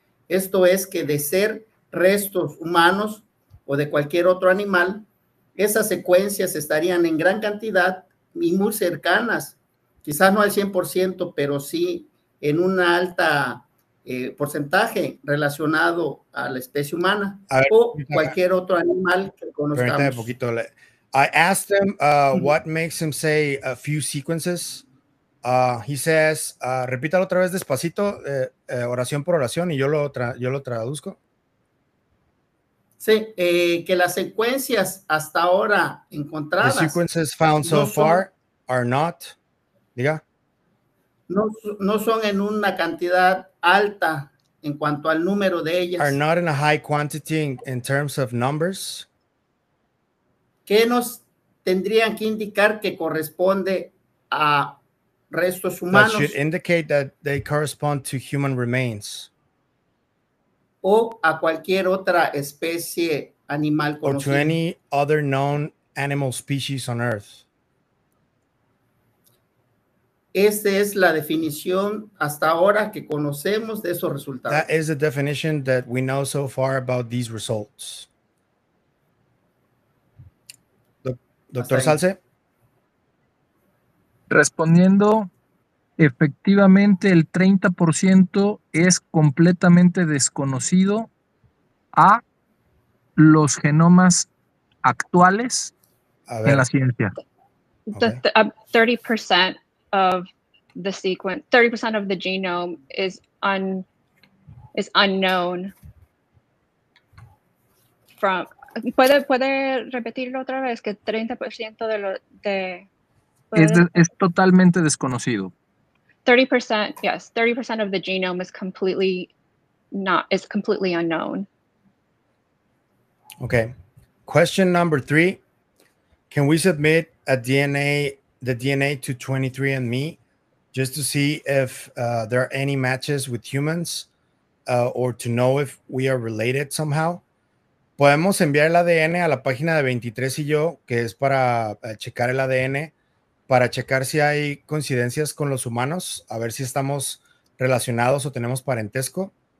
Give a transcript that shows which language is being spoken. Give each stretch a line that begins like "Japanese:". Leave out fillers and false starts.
Spanish: Esto es que de ser restos humanos o de cualquier otro animal, esas secuencias estarían en gran cantidad y muy cercanas, quizás no al 100%, pero sí en un alto porcentaje relacionado a la especie humana o cualquier otro animal que conozcamos.
English: I asked him what makes him say a few sequences. He says,
Spanish: repítalo otra vez despacito, oración por oración, y yo lo traduzco. Sí, que las secuencias hasta ahora encontradas.
English: The sequences found so far are not.
Spanish: Diga. No son en una cantidad alta en cuanto al número de ellas.
English: Are not in a high quantity in terms of numbers.
Spanish: ¿Qué nos tendrían que indicar que corresponde a restos humanos?
English: That should indicate that they correspond to human remains.
Spanish: O a cualquier otra especie animal conocida.
English: Or to any other known animal species on Earth.
Spanish: Esta es la definición hasta ahora que conocemos de esos resultados.
English: That is the definition that we know so far about these results.
Spanish: Doctor Salce. Respondiendo, efectivamente el 30% es completamente desconocido a los genomas actuales en la ciencia.
English: The 30% of the sequence, 30% of the genome is unknown.
Spanish: From ¿Puede repetirlo otra vez? Que 30% de lo de... Es totalmente desconocido.
English: 30%, yes. 30% of the genome is completely unknown. Okay. Question number 3. Can we submit the DNA to 23andMe just to see if there are any matches with humans or to know if we are related somehow?
Spanish: ¿Podemos enviar el ADN a la página de 23 y yo, que es para checar el ADN, para checar si hay coincidencias con los humanos, a ver si estamos relacionados o tenemos parentesco?